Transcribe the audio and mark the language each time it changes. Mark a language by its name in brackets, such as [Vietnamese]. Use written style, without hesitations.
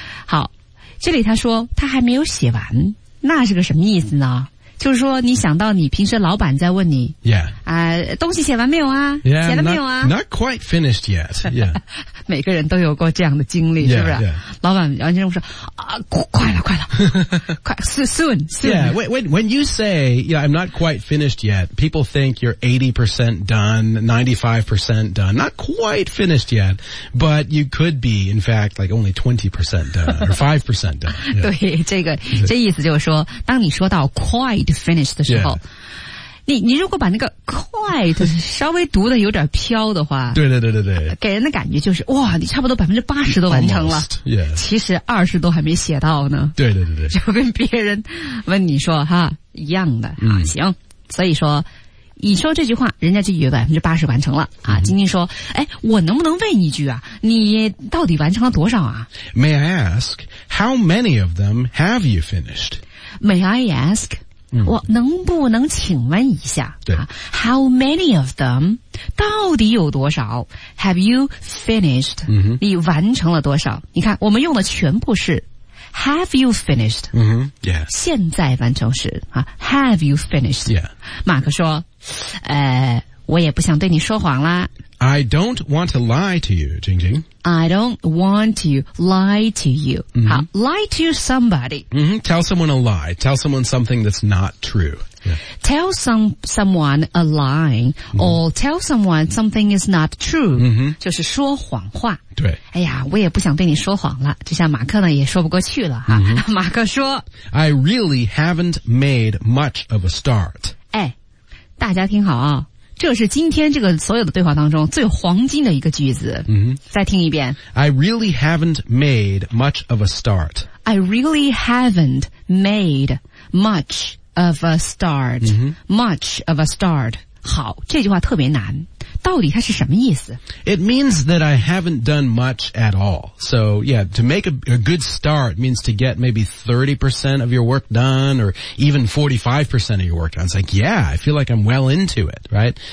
[Chinese] 好这里他说他还没有写完那是个什么意思呢就是说你想到你平时老板在问你 [English] Yeah、 [Chinese] 东西写完没有啊 [English] yeah, [Chinese] 写了没有啊 [English] not quite finished yet、yeah. [Chinese] 每个人都有过这样的经历 [English] yeah, [Chinese] 是不是、 [English] yeah. [Chinese] 老板完全说、快了快了快 soon [English] Yeah, when you say yeah, I'm not quite finished yet people think you're 80% done 95% done not quite finished yet but you could be in fact like only 20% done or 5% done、yeah. [Chinese] 对这个这意思就是说当你说到 quiteFinish 的时候、 [English] yeah. [Chinese] 你如果把那个 quite 稍微读的有点飘的话对对对对对给人的感觉就是哇你差不多 80% 都完成了 [English] Almost,、yeah. [Chinese] 其实20都还没写到呢对对对对就跟别人问你说哈一样的、 mm. 行所以说你说这句话人家就以为80%完成了、mm-hmm. 啊晶晶说哎我能不能问一句啊你到底完成了多少啊 [English] May I ask, how many of them have you finished? May I ask, [Chinese] 我能不能请问一下，对、 [English] How many of them, [Chinese] 到底有多少 [English] ?Have you finished?、嗯、 [Chinese] 你完成了多少？你看我们用的全部是 [English] Have you finished?、嗯 yes. [Chinese] 现在完成时、 [English] Have you finished?、 Yeah. [Chinese] 马克说、我也不想对你说谎啦。 [English] I don't want to lie to you, 晶晶。 I don't want to lie to you.、 Mm-hmm. 好 lie to somebody.、 Mm-hmm. Tell someone a lie. Tell someone something that's not true.、 Yeah. Tell someone a lie、mm-hmm. or tell someone something is not true.、 Mm-hmm. [Chinese] 就是说谎话。对。哎呀我也不想对你说谎了。就像马克呢也说不过去了。 Mm-hmm. 马克说 [English] I really haven't made much of a start. [Chinese] 哎大家听好啊。这是今天这个所有的对话当中最黄金的一个句子、 mm-hmm. 再听一遍 [English] I really haven't made much of a start I really haven't made much of a start、 mm-hmm. much of a start [Chinese] 好这句话特别难到底它是什么意思 [English] It means that I haven't done much at all So yeah, to make a good start means to get maybe 30% of your work done or even 45% of your work done It's like, yeah, I feel like I'm well into it, right?